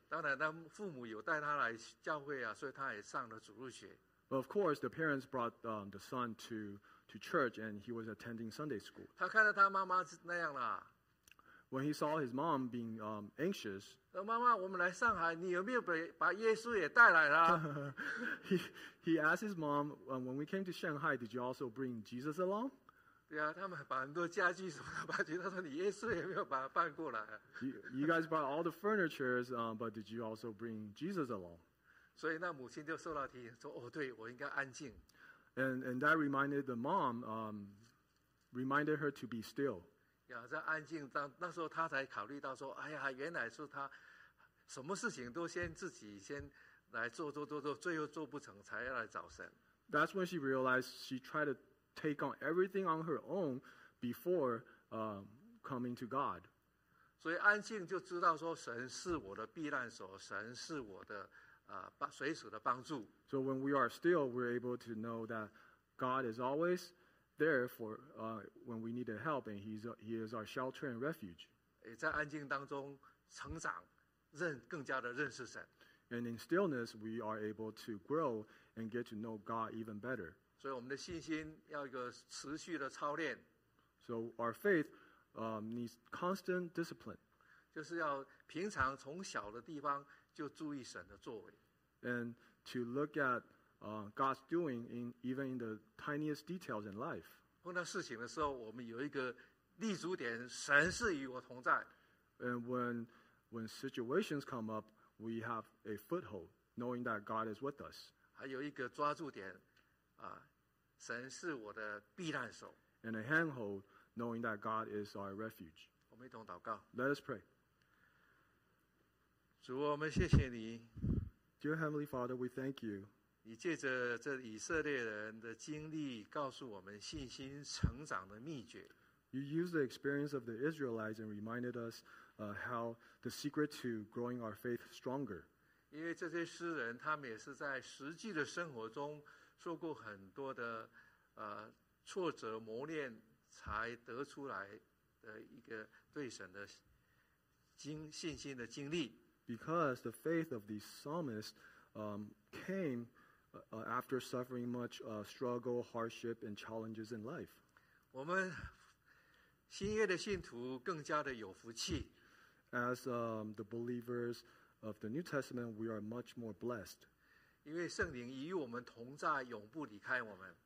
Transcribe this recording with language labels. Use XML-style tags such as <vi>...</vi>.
<zh>当然，他父母有带他来教会啊，所以他也上了主日学。</zh> <en>Of course, the parents brought the son to church, and he was attending Sunday school.</en> <zh>他看到他妈妈那样了。</zh> <en>When he saw his mom being anxious.</en> <zh>妈妈，我们来上海，你有没有把耶稣也带来了</zh> <en>？He asked his mom, when we came to Shanghai, did you also bring Jesus along?</en> <zh>对啊，他们把很多家具什么搬去，他说你耶稣也没有把他搬过来。</zh> <en>You guys brought all the furnitures, but did you also bring Jesus along?</en> <zh>所以那母亲就受到提醒，说哦，对我应该安静。</zh> <en>And that reminded the mom, reminded her to be still.</en> <zh>要在安静当那时候，他才考虑到说：“哎呀，原来是他什么事情都先自己先来做，最后做不成，才要来找神。”</zh> <en>That's when she realized she tried to take on everything on her own before coming to God.</en> <zh>所以安静就知道说，神是我的避难所，神是我的随时的帮助。</zh> <en>So when we are still, we're able to know that God is always. There for when we need help, and he is our shelter and refuge.</en> <zh>也在安静当中成长，更加的认识神。</zh> <en>And in stillness, we are able to grow and get to know God even better.</en> <zh>所以我们的信心要一个持续的操练。</zh> <en>So our faith needs constant discipline.</en> <zh>就是要平常从小的地方就注意神的作为。</zh> <en>And to look at. God's doing in even in the tiniest details in life.</en> <zh>碰到事情的时候，我们有一个立足点，神是与我同在。</zh> <en>And when situations come up, we have a foothold, knowing that God is with us.</en> <zh>还有一个抓住点，神是我的避难所。</zh> <en>And a handhold, knowing that God is our refuge.</en> <zh>我们一同祷告。</zh> <en>Let us pray.</en> <zh>主，我们谢谢你。</zh> <en>Dear Heavenly Father, we thank you.</en> <zh>你借着这以色列人的经历，告诉我们信心成长的秘诀。</zh> <en>You used the experience of the Israelites and reminded us, how the secret to growing our faith stronger.</en> <zh>因为这些诗人，他们也是在实际的生活中受过很多的挫折磨练，才得出来的一个对神的信心的经历。</zh> <en>Because the faith of these psalmists, came. After suffering much struggle, hardship, and challenges in life.</en> <zh>我们新约的信徒更加的有福气。</zh> <en>As the believers of the New Testament, we are much more blessed.</en> <zh>因为圣灵与我们同在，永不离开我们。</zh>